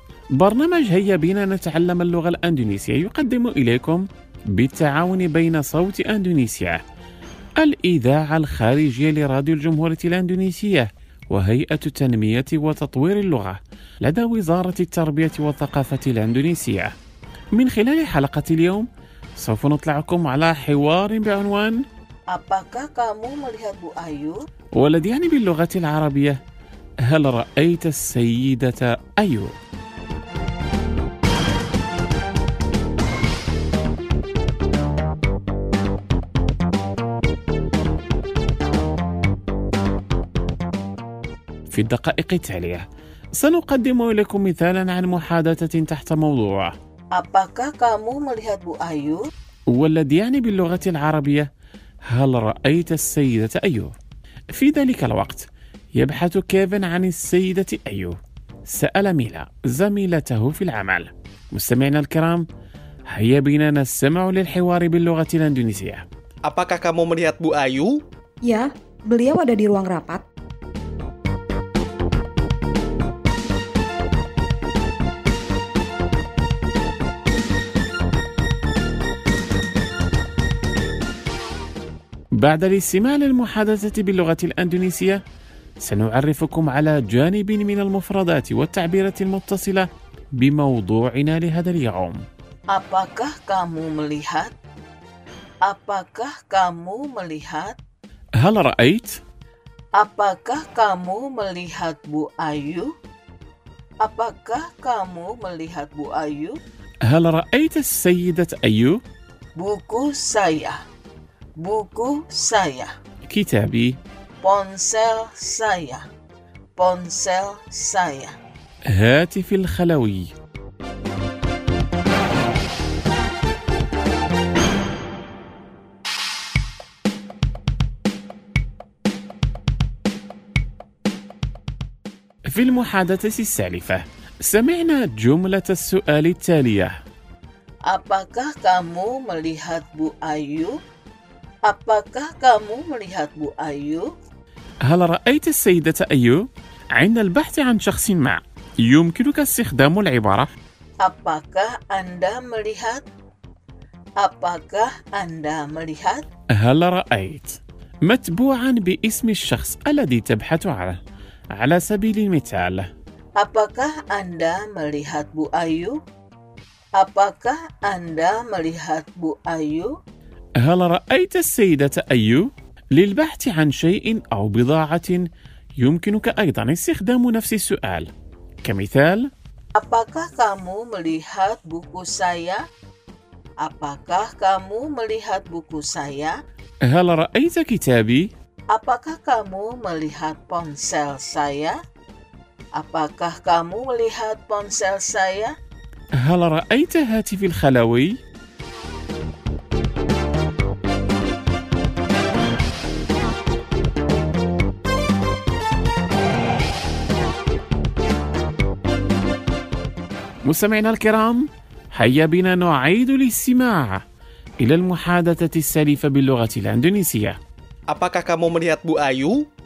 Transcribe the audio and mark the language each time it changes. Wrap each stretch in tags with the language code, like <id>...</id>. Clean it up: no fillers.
<ar>برنامج هيا بنا نتعلم اللغة الإندونيسية يقدم إليكم بالتعاون بين صوت إندونيسيا، الإذاعة الخارجية لراديو الجمهورية الإندونيسية، وهيئة التنمية وتطوير اللغة لدى وزارة التربية والثقافة الإندونيسية. من خلال حلقة اليوم سوف نطلعكم على حوار بعنوان</ar> <id>Apakah kamu melihat Bu Ayu؟</id> <ar>والذي يعني باللغة العربية هل رأيت السيدة أيو؟ في الدقائق التالية سنقدم لكم مثالا عن محادثة تحت موضوع</ar> <id>Apakah kamu melihat Bu Ayu؟</id> <ar>والذي يعني باللغة العربية هل رأيت السيدة أيو؟ في ذلك الوقت يبحث كيفن عن السيدة أيو، سأل ميلا زميلته في العمل. مستمعنا الكرام، هيا بنا نستمع للحوار باللغة الإندونيسية.</ar> <id>Apakah kamu melihat Bu Ayu؟ Ya, beliau ada di ruang rapat.</id> <ar>بعد الاستماع للمحادثة باللغة الإندونيسية سنعرفكم على جانب من المفردات والتعبيرات المتصلة بموضوعنا لهذا اليوم.</ar> <id>Apakah kamu melihat؟ Apakah kamu melihat؟</id> <ar>هل رأيت؟</ar> <id>Apakah kamu melihat Bu Ayu؟ Apakah kamu melihat Bu Ayu؟</id> <ar>هل رأيت السيدة أيو؟</ar> <id>Buku saya. Buku saya.</id> <ar>Kitabi.</ar> <id>Ponsel saya. Ponsel saya.</id> <ar>هاتف الخلوي. في المحادثة السالفة سمعنا جملة السؤال التالية.</ar> <id>Apakah kamu melihat Bu Ayu؟ Apakah kamu melihat Bu Ayu؟</id> <ar>هل رأيت السيدة أيو؟ عند البحث عن شخص ما يمكنك استخدام العبارة</ar> <id>Apakah anda melihat؟ Apakah anda melihat؟</id> <ar>هل رأيت؟ متبوعا باسم الشخص الذي تبحث عنه، على سبيل المثال</ar> <id>Apakah anda melihat Bu Ayu؟ Apakah anda melihat Bu Ayu؟</id> <ar>هل رأيت السيدة أيو؟ للبحث عن شيء أو بضاعة يمكنك أيضا استخدام نفس السؤال كمثال</ar> <id>Apakah kamu melihat buku saya؟ Apakah kamu melihat buku saya؟</id> <ar>هل رأيت كتابي؟</ar> <id>Apakah kamu melihat ponsel saya؟ Apakah kamu melihat ponsel saya؟</id> <ar>هل رأيت هاتفي الخلوي؟ مستمعينا الكرام، هيا بنا نعيد الاستماع إلى المحادثة السالفة باللغة الإندونيسية.</ar> <id>Apakah kamu melihat Bu Ayu؟</id>